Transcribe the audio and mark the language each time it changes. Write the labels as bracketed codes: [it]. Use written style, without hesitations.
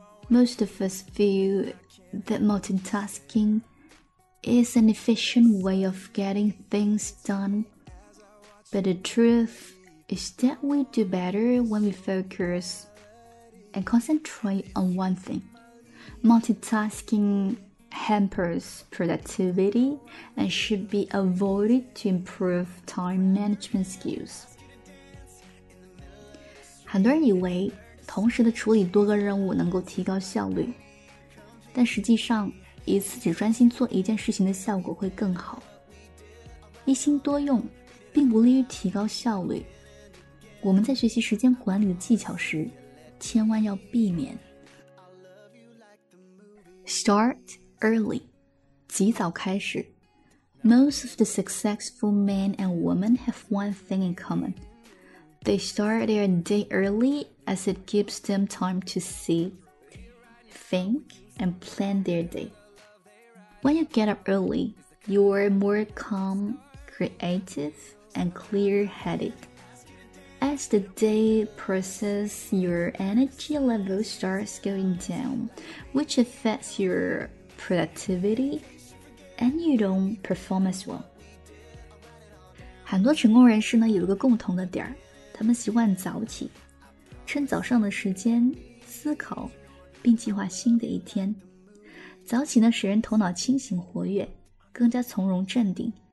[en] Most of us feel that multitasking is an efficient way of getting things done, but the truth is that we do better when we focus and concentrate on one thing. Multitasking hampers productivity and should be avoided to improve time management skills. [zh] 很多人以为同时的处理多个任务能够提高效率，但实际上一次只专心做一件事情的效果会更好。一心多用并不利于提高效率，我们在学习时间管理的技巧时千万要避免。 [en] Start early， [zh] 及早开始。 [en] Most of the successful men and women have one thing in common. They start their day early as it gives them time to see, thinkand plan their day. When you get up early, you are more calm, creative, and clear-headed. As the day progresses, your energy level starts going down, which affects your productivity, and you don't perform as well. [zh] 很多成功人士呢，有一个共同的点，他们习惯早起，趁早上的时间思考并计划新的一天。早起呢，使人头脑清醒活跃，更加从容镇定。